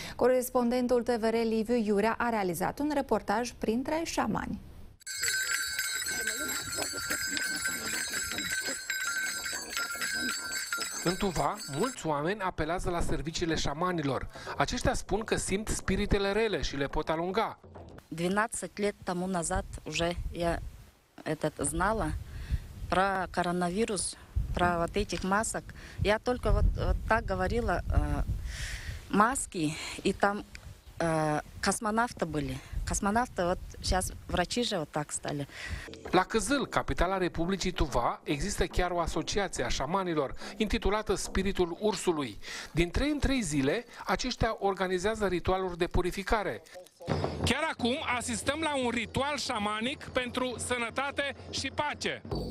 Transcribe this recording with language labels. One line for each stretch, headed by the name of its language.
Romanian: Corespondentul TVR Liviu Iurea a realizat un reportaj printre șamani. În Tuva, mulți oameni apelează la serviciile șamanilor. Aceștia spun că simt spiritele rele și le pot alunga.
Russian: 12 лет тому назад уже я этот знала про коронавирус, про вот этих масок. Я только вот так говорила маски и там космонавты были. Космонавты вот сейчас врачи же вот так стали.
Romanian: La Căzâl, capitala Republicii Tuva, există chiar o asociație a șamanilor, intitulată Spiritul Ursului. Din 3 în 3 zile, aceștia organizează ritualuri de purificare. Chiar acum asistăm la un ritual șamanic pentru sănătate și pace.